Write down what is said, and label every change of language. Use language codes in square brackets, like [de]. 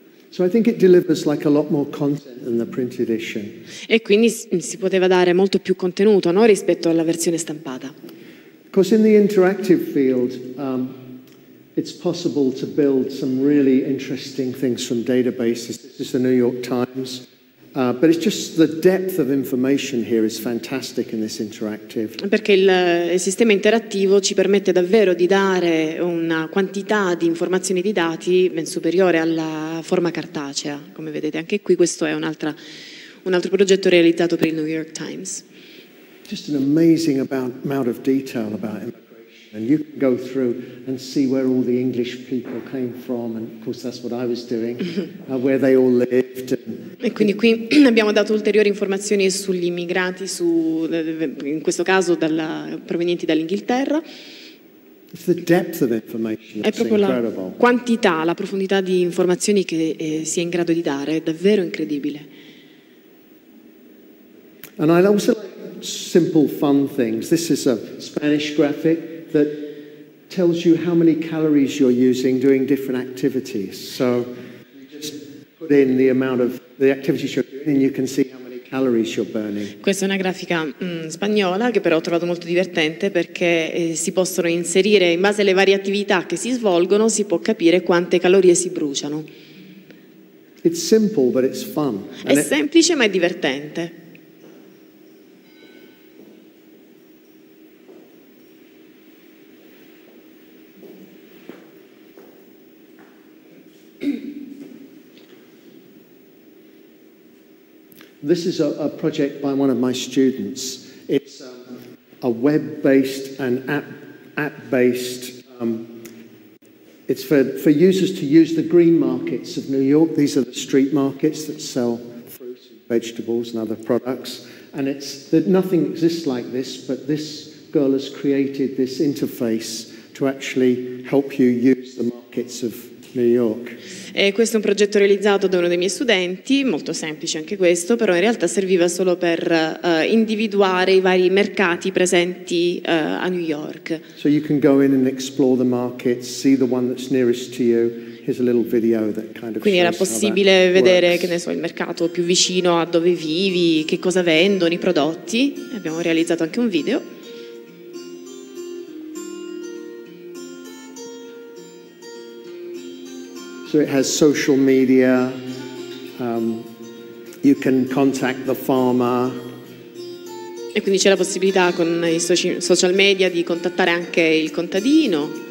[en] So I think it delivers like a lot more content than the print edition. [it] E quindi si poteva dare molto più contenuto, no, rispetto alla versione stampata. [en] Because in the interactive field, it's possible to build some really interesting things from databases. This is the New York Times. But it's just the depth of information here is fantastic in this interactive. [it] Perché il sistema interattivo ci permette davvero di dare una quantità di informazioni, di dati, ben superiore alla forma cartacea. Come vedete anche qui, questo è un altro progetto realizzato per il New York Times. [en] Just an amazing amount of detail about immigration. And you can go through and see where all the English people came from. And of course that's what I was doing. Where they all lived. [it] E quindi qui abbiamo dato ulteriori informazioni sugli immigrati, in questo caso provenienti dall'Inghilterra. [en] It's the depth of information [it] è proprio [en] incredible. [it] La quantità, la profondità di informazioni che si è in grado di dare, è davvero incredibile. [en] And I also like simple fun things. This is a Spanish graphic that tells you how many calories you're using doing different activities. So you just put in the amount of the activities you're doing and you can see how many calories you're burning. [it] Questa è una grafica spagnola che però ho trovato molto divertente perché si possono inserire in base alle varie attività che si svolgono si può capire quante calorie si bruciano. It's simple but it's fun. È semplice ma è divertente. [en] This is a project by one of my students. It's a web-based and app-based. It's for users to use the green markets of New York. These are the street markets that sell fruits, vegetables, and other products. And it's that nothing exists like this, but this girl has created this interface to actually help you use the markets of New York. [it] E questo è un progetto realizzato da uno dei miei studenti, molto semplice anche questo, però in realtà serviva solo per individuare i vari mercati presenti a New York. [en] So you can go in and explore the market, see the one that's nearest to you. Here's a little video that kind of. [it] Quindi era possibile vedere, che ne so, il mercato più vicino a dove vivi, che cosa vendono, i prodotti. Abbiamo realizzato anche un video. [en] So it has social media, you can contact the farmer. [it] E quindi c'è la possibilità con i social media di contattare anche il contadino.